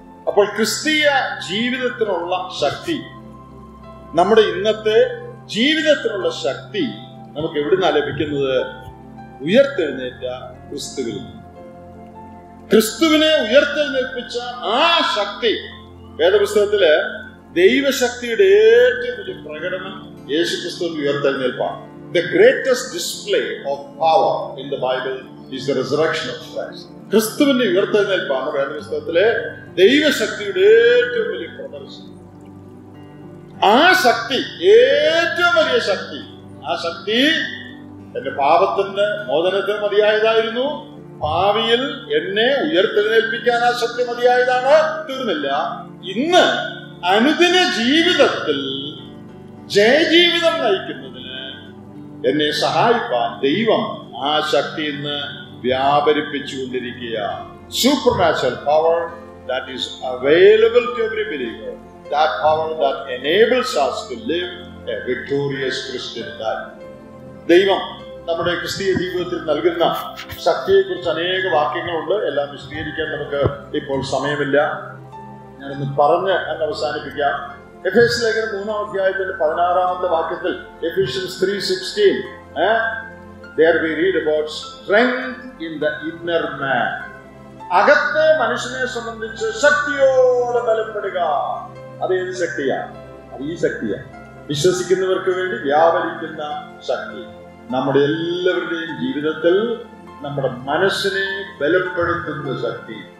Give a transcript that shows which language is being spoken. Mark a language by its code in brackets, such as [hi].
[ml] അപ്പോൾ ക്രിസ്തീയ ജീവിതത്തിനുള്ള ശക്തി, നമ്മുടെ ഇന്നത്തെ ജീവിതത്തിനുള്ള ശക്തി നമുക്ക് എവിടുന്നാ ലഭിക്കുന്നത്? ഉയർത്തെഴുന്നേറ്റ ക്രിസ്തുവിൽ, ക്രിസ്തുവിനെ ഉയർത്തെഴുന്നേൽപ്പിച്ച ആ ശക്തി. വേദപുസ്തകത്തില് ദൈവശക്തിയുടെ ഏറ്റവും വലിയ പ്രകടനം യേശു ക്രിസ്തുവിന്റെ ഉയർത്തെഴുന്നേൽപ്പാണ്. [en] The greatest display of power in the Bible is the resurrection of Christ. [ml] ക്രിസ്തുവിന്റെ ഉയർത്തെഴുന്നേൽപ്പാണ് വേദപുസ്തകത്തിലെ ദൈവശക്തിയുടെ ഏറ്റവും വലിയ പ്രദർശനം. ആ ശക്തി, ഏറ്റവും വലിയ ശക്തി, ആ ശക്തി എന്റെ പാപത്തിന് മോചനത്തിന് മതിയായതായിരുന്നു, ഭാവിയിൽ എന്നെ ഉയർത്തെഴുന്നേൽപ്പിക്കാൻ ആ ശക്തി മതിയായതാണ്, തീർന്നില്ല. ഇന്ന് അനുദിന ജീവിതത്തിൽ ജയജീവിതം നയിക്കുന്നതിന് എന്നെ സഹായിക്കാൻ ദൈവം ആ ശക്തി ഇന്ന് വ്യാപരിപ്പിച്ചുകൊണ്ടിരിക്കുക. [en] Supernatural power that is available to every believer, that power that enables us to live a victorious Christian life. [ml] ദൈവം നമ്മുടെ ക്രിസ്തീയ ജീവിതത്തിൽ നൽകുന്ന ശക്തിയെ കുറിച്ച് അനേക വാക്യങ്ങളുണ്ട്, എല്ലാം വിശദീകരിക്കാൻ നമുക്ക് ഇപ്പോൾ സമയമില്ല. ഞാനൊന്ന് പറഞ്ഞ് അങ്ങ് അവസാനിപ്പിക്കാം. എഫേസ്യ ലേഖനം 3 16 വാക്യത്തിൽ, എഫേസ്യ 3:16, [en] there we read about strength in the inner man. [ml] അകത്തെ മനുഷ്യനെ സംബന്ധിച്ച് ശക്തിയോടെ ബലപ്പെടുക. അത് ഏത് ശക്തിയാണ്? അത് ഈ ശക്തിയാണ്, വിശ്വസിക്കുന്നവർക്ക് വേണ്ടി വ്യാപരിക്കുന്ന ശക്തി. നമ്മുടെ എല്ലാവരുടെയും ജീവിതത്തിൽ നമ്മുടെ മനസ്സിനെ ബലപ്പെടുത്തുന്ന ശക്തി,